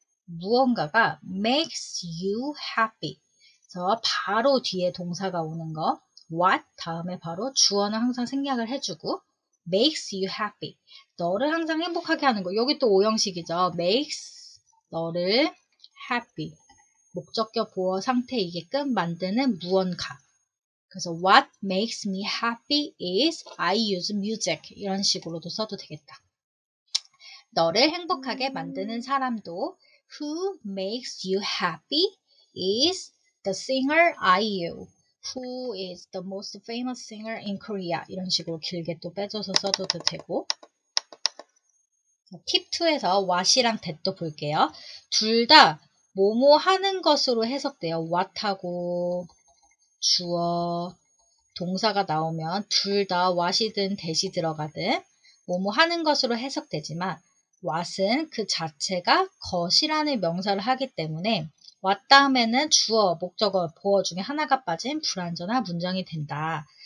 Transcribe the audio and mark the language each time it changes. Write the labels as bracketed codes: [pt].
[ko] 무언가가 [en] makes you happy. [ko] 그래서 바로 뒤에 동사가 오는 거, what? 다음에 바로 주어는 항상 생략을 해주고, [en] makes you happy. [ko] 너를 항상 행복하게 하는 거. 여기 또 오형식이죠. makes 너를 happy. 목적격 보호 상태이게끔 만드는 무언가. [en] 그래서 what makes me happy is I use music. [ko] 이런 식으로도 써도 되겠다. 너를 행복하게 만드는 사람도 [en] who makes you happy is the singer IU, who is the most famous singer in Korea. [ko] 이런 식으로 길게 또 빼줘서 써도 되고. 팁 2에서 what이랑 that도 볼게요. 둘다 뭐뭐 하는 것으로 해석돼요. what하고 주어 동사가 나오면 둘다 what이든 that이 들어가든 뭐뭐 하는 것으로 해석되지만 what은 그 자체가 것이라는 명사를 하기 때문에 what 다음에는 주어, 목적어, 보어 중에 하나가 빠진 불완전한 문장이 된다.